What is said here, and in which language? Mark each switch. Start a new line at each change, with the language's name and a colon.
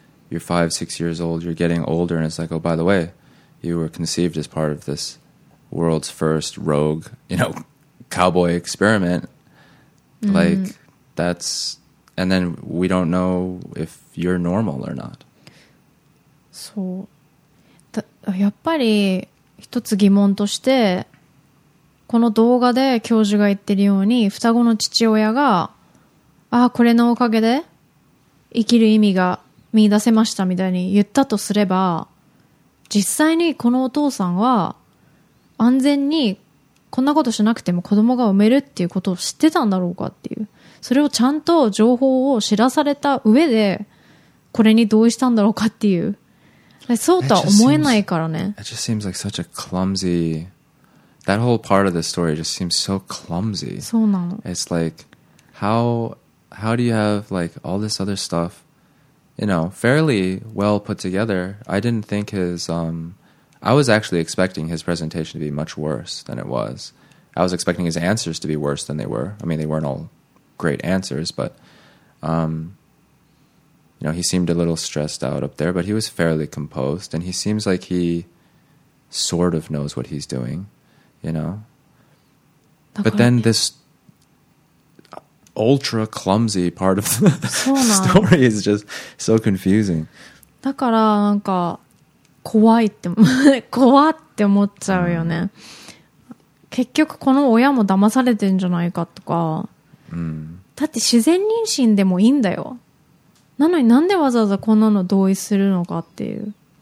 English: You're 5-6 years old, you're getting older, and it's like, oh, by the way, you were conceived as part of this world's first rogue, you know, cowboy experiment. Like, that's... And then we don't know if you're normal or not.
Japanese: そう。やっぱり一つ疑問として、この動画で教授が言ってるように、双子の父親が、ああこれのおかげで生きる意味が見出せましたみたいに言ったとすれば、実際にこのお父さんは安全にこんなことしなくても子供が産めるっていうことを知ってたんだろうかっていう、それをちゃんと情報を知らされた上でこれに同意したんだろうかっていう、そうとは思えないからね。
English: It just seems like such a clumsy, that whole part of the story just seems so clumsy.
Japanese: そうなの。
English: It's like how do you have like all this other stuff, you know, fairly well put together. I didn't think his, I was actually expecting his presentation to be much worse than it was. I was expecting his answers to be worse than they were. I mean, they weren't all great answers, but, you know, he seemed a little stressed out up there, but he was fairly composed, and he seems like he sort of knows what he's doing, you know? But then this ultra clumsy part of the story is just so confusing.
Japanese: だからなんか怖いって怖って思っちゃうよね。結局この親も騙されてんじゃないかとか。だって自然妊娠でもいいんだよ。なのになんでわざわざこんなの同意するのかっていう。